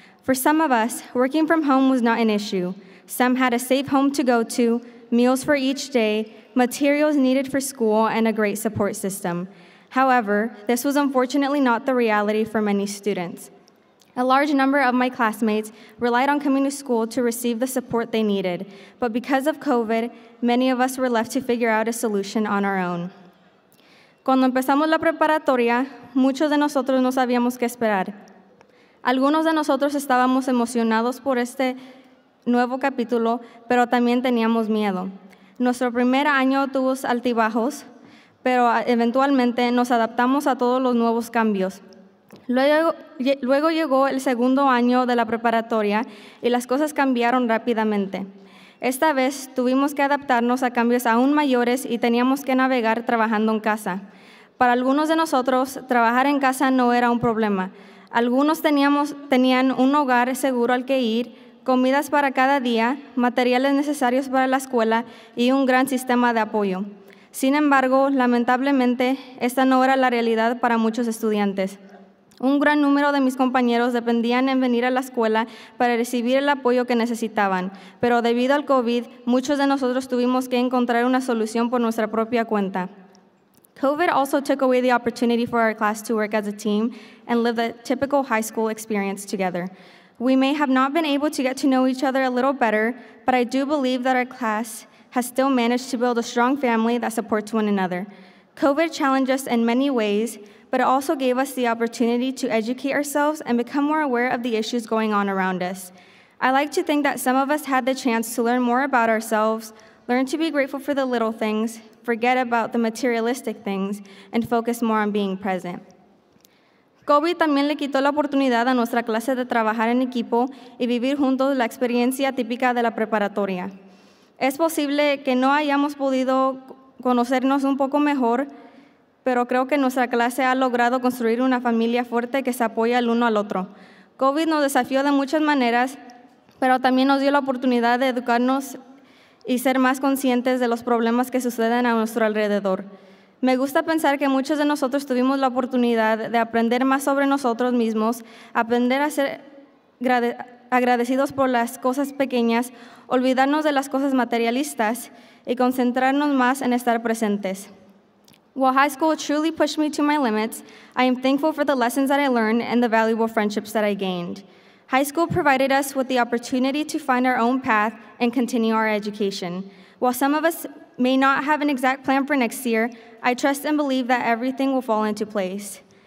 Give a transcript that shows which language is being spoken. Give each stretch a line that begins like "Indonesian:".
English: For some of us, working from home was not an issue. Some had a safe home to go to, meals for each day, materials needed for school, and a great support system. However, this was unfortunately not the reality for many students. A large number of my classmates relied on coming to school to receive the support they needed, but because of COVID, many of us were left to figure out a solution on our own.
Spanish: Cuando empezamos la preparatoria, muchos de nosotros no sabíamos qué esperar. Algunos de nosotros estábamos emocionados por este nuevo capítulo, pero también teníamos miedo. Nuestro primer año tuvo altibajos, pero eventualmente nos adaptamos a todos los nuevos cambios. Luego llegó el segundo año de la preparatoria y las cosas cambiaron rápidamente. Esta vez tuvimos que adaptarnos a cambios aún mayores y teníamos que navegar trabajando en casa. Para algunos de nosotros, trabajar en casa no era un problema. Algunos tenían un hogar seguro al que ir, comidas para cada día, materiales necesarios para la escuela y un gran sistema de apoyo. Sin embargo, lamentablemente, esta no era la realidad para muchos estudiantes. Un gran número de mis compañeros dependían en venir a la escuela para recibir el apoyo que necesitaban, pero debido al COVID, muchos de nosotros tuvimos que encontrar una solución por nuestra propia cuenta.
English: COVID also took away the opportunity for our class to work as a team and live the typical high school experience together. We may have not been able to get to know each other a little better, but I do believe that our class has still managed to build a strong family that supports one another. COVID challenged us in many ways, but it also gave us the opportunity to educate ourselves and become more aware of the issues going on around us. I like to think that some of us had the chance to learn more about ourselves, learn to be grateful for the little things, forget about the materialistic things, and focus more on being present.
Spanish: COVID también le quitó la oportunidad a nuestra clase de trabajar en equipo y vivir juntos la experiencia típica de la preparatoria. Es posible que no hayamos podido conocernos un poco mejor, pero creo que nuestra clase ha logrado construir una familia fuerte que se apoya el uno al otro. COVID nos desafió de muchas maneras, pero también nos dio la oportunidad de educarnos y ser más conscientes de los problemas que suceden a nuestro alrededor. Me gusta pensar que muchos de nosotros tuvimos la oportunidad de aprender más sobre nosotros mismos, aprender a ser agradecidos por las cosas pequeñas, olvidarnos de las cosas materialistas, y concentrarnos más en estar presentes.
English: While high school truly pushed me to my limits, I am thankful for the lessons that I learned and the valuable friendships that I gained. High school provided us with the opportunity to find our own path and continue our education. While some of us may not have an exact plan for next year, I trust and believe that everything will fall into place.